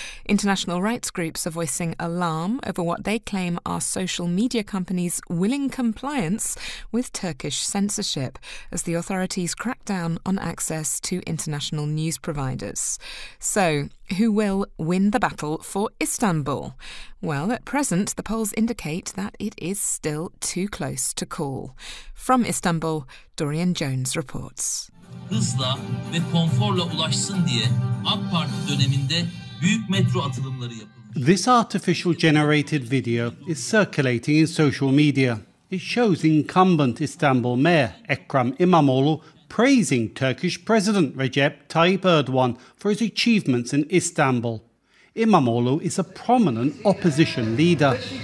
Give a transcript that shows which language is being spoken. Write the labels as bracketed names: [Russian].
[English] International rights groups are voicing alarm over what they claim are social media companies' willing compliance with Turkish censorship as the authorities crack down on access to international news providers. So, who will win the battle for Istanbul? Well, at present, the polls indicate that it is still too close to call. From Istanbul, Dorian Jones reports. [Turkish] Hızla ve konforla ulaşsın diye AK Parti döneminde büyük metro atılımları yapılmış. [English] This artificial generated video is circulating in social media. It shows incumbent Istanbul Mayor Ekrem İmamoğlu praising Turkish President Recep Tayyip Erdogan for his achievements in Istanbul. İmamoğlu is a prominent opposition leader.